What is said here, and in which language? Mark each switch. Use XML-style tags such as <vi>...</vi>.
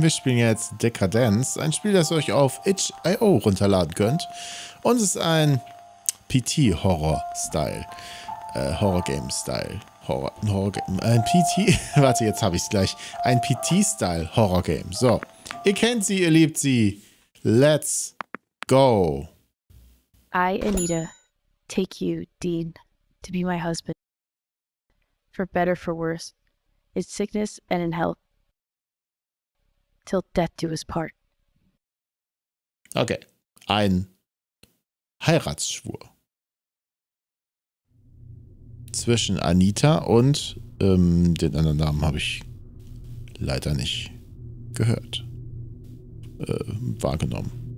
<de>Wir spielen jetzt Decadence, ein Spiel, das ihr euch auf itch.io runterladen könnt. Und es ist ein PT-Horror-Style. Horror-Game-Style. Ein PT. Warte, jetzt habe ich es gleich. Ein PT-Style-Horror-Game. So. Ihr kennt sie, ihr liebt sie.</de> <en>Let's go. I, Anita, take you, Dean, to be my husband. For better, for worse, in sickness and in health, till death do us part.</en> <de>Okay, ein Heiratsschwur zwischen Anita und den anderen Namen habe ich leider nicht gehört, wahrgenommen.</de>